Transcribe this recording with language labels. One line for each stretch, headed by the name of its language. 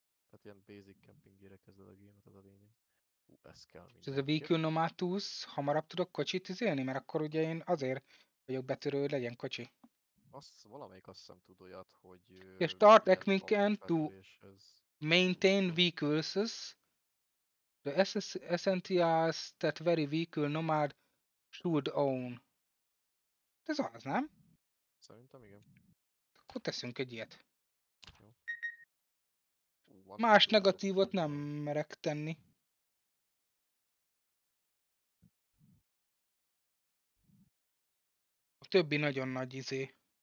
Hungarian: Tehát ilyen basic campinggírrel kezded a gémet, az a lényeg. Hú, ez kell mindenki. Ez a vehicle nomad tools, hamarabb tudok kocsit izélni, mert akkor ugye én azért vagyok betörő, hogy legyen kocsi. Azt valamelyik azt hiszem tud olyat, hogy...
English: Ja, start equipment to maintain vehicles. The essentials that very vehicle nomad should own.
Hungarian: Ez az, nem? Szerintem igen. Akkor teszünk egy ilyet. Jó. Más negatívot nem merek tenni. A többi nagyon nagy izé.